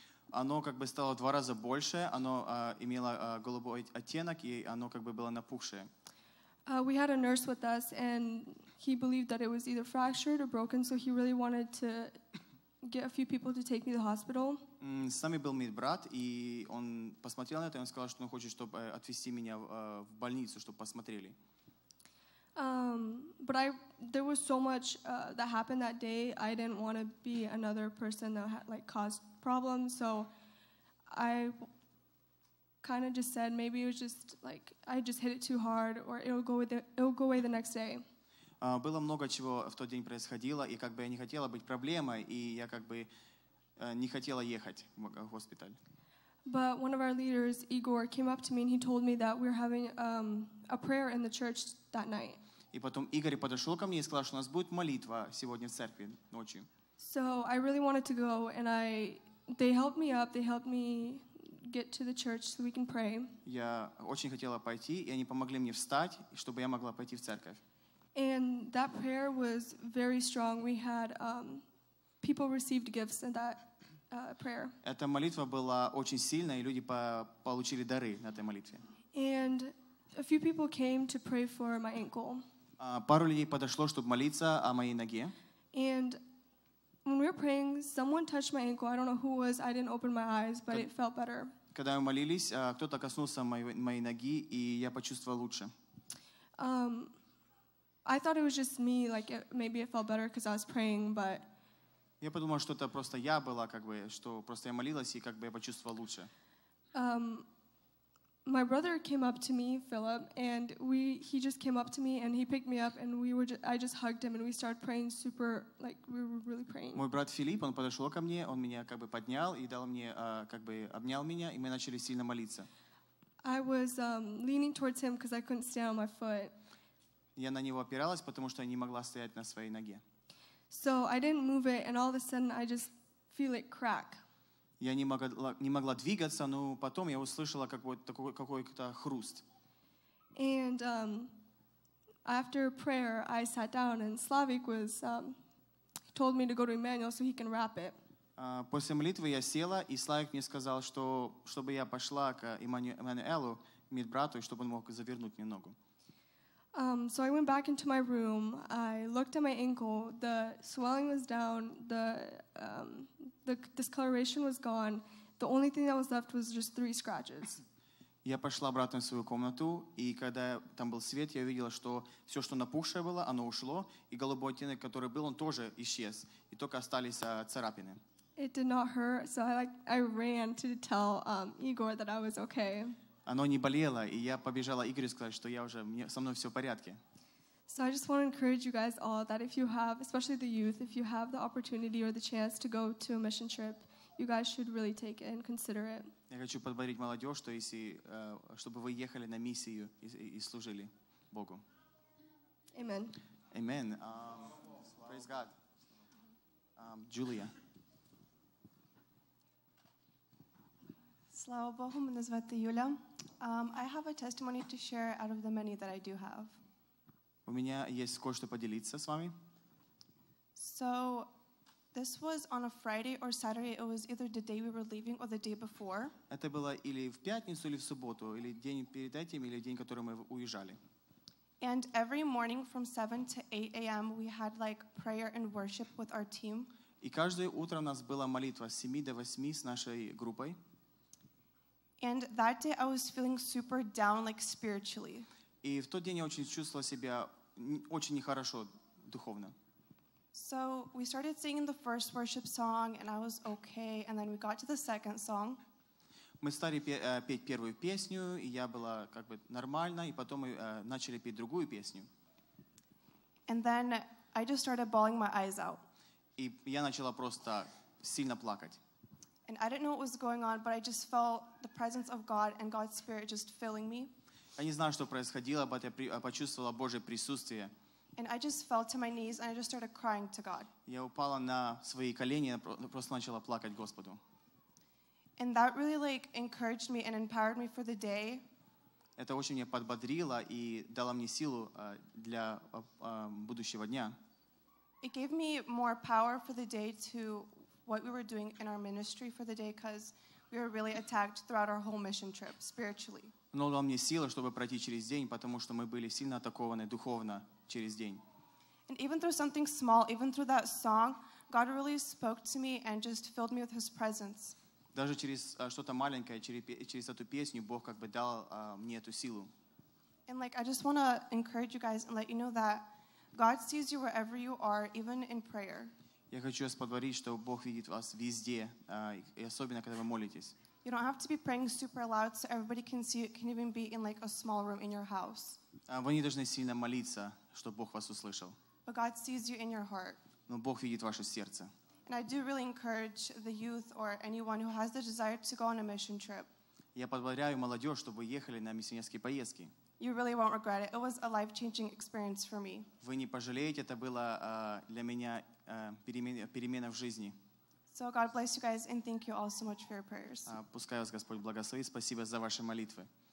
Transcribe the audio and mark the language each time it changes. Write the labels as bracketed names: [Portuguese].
[Russian] Оно как бы стало в два раза больше, оно имело голубой оттенок, и оно как бы было напухшее. [English] We had a nurse with us, and he believed that it was either fractured or broken, so he really wanted to get a few people to take me to the hospital. [Russian] С нами был медбрат, и он посмотрел на это, и он сказал, что он хочет, чтобы отвезти меня в больницу, чтобы посмотрели. [English] But there was so much that happened that day, I didn't want to be another person that had, like, caused problems, so I kind of just said maybe it was just like I just hit it too hard or it'll go away the next day. [Russian] Было много чего в тот день происходило, и как бы я не хотела быть проблемой, и я как бы не хотела ехать в госпиталь. [English] But one of our leaders, Igor, came up to me and he told me that we were having a prayer in the church that night. [Russian] И потом Игорь подошёл ко мне и сказал, что у нас будет молитва сегодня в церкви ночью. [English] So I really wanted to go and they helped me get to the church so we can pray. [Russian] Я очень хотела пойти, и они помогли мне встать, чтобы я могла пойти в церковь. [English] And that prayer was very strong. We had people received gifts in that prayer. [Russian] Эта молитва была очень сильная, и люди получили дары на этой молитве. [English] And a few people came to pray for my ankle. [Russian] Пару людей подошло, чтобы молиться о моей ноге. [English] And when we were praying, someone touched my ankle. I don't know who it was. I didn't open my eyes, but it felt better. [Russian] Когда мы молились, кто-то коснулся моей ноги, и я почувствовал лучше. [English] I thought it was just me, like maybe it felt better because I was praying, but [Russian] я подумал, что это просто я была, как бы, что просто я молилась и как бы я почувствовал лучше. [English] My brother came up to me, Philip, and he just came up to me and he picked me up and I just hugged him and we started praying super, like we were really praying. [Russian] Мой брат Филипп, он подошёл ко мне, он меня как бы поднял и дал мне как бы обнял меня, и мы начали сильно молиться. [English] I was leaning towards him because I couldn't stand on my foot. [Russian] Я на него опиралась, потому что я не могла стоять на своей ноге. [English] So I didn't move it and all of a sudden I just feel it crack. [Russian] Я не могла двигаться, но потом я услышала какой-то хруст. [English] And after prayer, I sat down, and Slavik was told me to go to Emmanuel so he can wrap it. [Russian] После молитвы я села, и Славик мне сказал, что чтобы я пошла к Эммануэлу, медбрату, чтобы он мог завернуть мне ногу. [English] So I went back into my room. I looked at my ankle. The swelling was down. The discoloration was gone. The only thing that was left was just three scratches. [Russian] Я пошла обратно в свою комнату, и когда там был свет, я видела, что все, что напухшее было, оно ушло, и голубой оттенок, который был, он тоже исчез, и только остались царапины. [English] It did not hurt, so I ran to tell Igor that I was okay. [Russian] Оно не болело, и я побежала Игорю сказать, что я уже со мной все в порядке. [English] So I just want to encourage you guys all that if you have, especially the youth, if you have the opportunity or the chance to go to a mission trip, you guys should really take it and consider it. [Russian] Я хочу подбодрить молодежь, что если, чтобы вы ехали на миссию и служили Богу. [English] Amen. Amen. Praise God. Julia. [Russian] Слава Богу, меня зовут Юля. [English] I have a testimony to share out of the many that I do have. [Russian] У меня есть кое-что поделиться с вами. [English] So, this was on a Friday or Saturday. It was either the day we were leaving or the day before. [Russian] Это было или в пятницу, или в субботу, или день перед этим, или день, который мы уезжали. [English] And every morning from 7 to 8 a.m. we had like prayer and worship with our team. [Russian] И каждое утро у нас была молитва с 7 до 8 с нашей группой. [English] And that day I was feeling super down, like spiritually. [Russian] И в тот день я очень чувствовала себя очень нехорошо духовно. [English] So we started singing the first worship song, and I was okay. And then we got to the second song. [Russian] Мы стали петь первую песню, и я была как бы нормально, и потом мы начали петь другую песню. [English] And then I just started bawling my eyes out. [Russian] И я начала просто сильно плакать. [English] And I didn't know what was going on, but I just felt the presence of God and God's Spirit just filling me. [Russian] Я не знаю, что происходило, но я почувствовала Божье присутствие. [English] And I just fell to my knees and I just started crying to God. [Russian] Я упала на свои колени и просто начала плакать Господу. [English] And that really like encouraged me and empowered me for the day. [Russian] Это очень меня подбодрило и дало мне силу для будущего дня. [English] It gave me more power for the day to what we were doing in our ministry for the day because we were really attacked throughout our whole mission trip spiritually. [Russian] Но дал мне силы, чтобы пройти через день, потому что мы были сильно атакованы духовно через день. [English] And even through something small, even through that song, God really spoke to me and just filled me with His presence. [Russian] Даже через что-то маленькое, через эту песню, Бог как бы дал мне эту силу. [English] And like, I just want to encourage you guys and let you know that God sees you wherever you are, even in prayer. [Russian] Я хочу вас подбодрить, что Бог видит вас везде, и особенно, когда вы молитесь. [English] You don't have to be praying super loud so everybody can see. It can even be in like a small room in your house. [Russian] Вы не должны сильно молиться, чтобы Бог вас услышал. [English] But God sees you in your heart. [Russian] Но Бог видит ваше сердце. [English] And I do really encourage the youth or anyone who has the desire to go on a mission trip. [Russian] Я подбадряю молодёжь, чтобы ехали на миссионерские поездки. [English] You really won't regret it. It was a life-changing experience for me. [Russian] Вы не пожалеете, это было для меня перемена в жизни. [English] So God bless you guys and thank you all so much for your prayers. [Russian] Пускай вас Господь благословит. Спасибо за ваши молитвы.